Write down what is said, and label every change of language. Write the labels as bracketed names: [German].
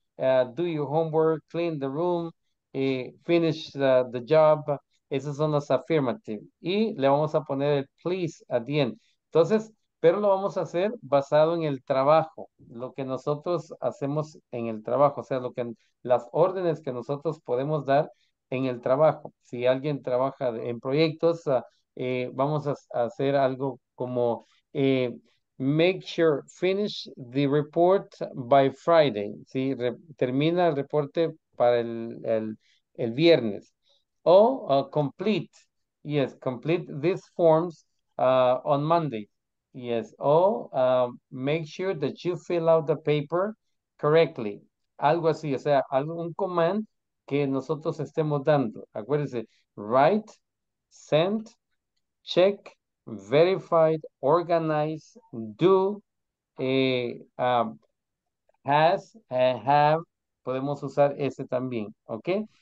[English] Do your homework, clean the room, finish the job. [Spanish] Esos son los affirmative. Y le vamos a poner el [English] please at the end. [Spanish] Entonces, pero lo vamos a hacer basado en el trabajo, lo que nosotros hacemos en el trabajo, o sea, las órdenes que nosotros podemos dar en el trabajo. Si alguien trabaja en proyectos, vamos a hacer algo como [English] make sure finish the report by Friday. [Spanish] ¿Sí? Termina el reporte para el viernes. [English] O complete. Yes, complete these forms on Monday. Yes. O make sure that you fill out the paper correctly. [Spanish] Algo así, o sea, algún command que nosotros estemos dando. [English] Acuérdense, write, send, check. Verified, organized, do, has, have, [Spanish] podemos usar ese también, [English] ¿ok?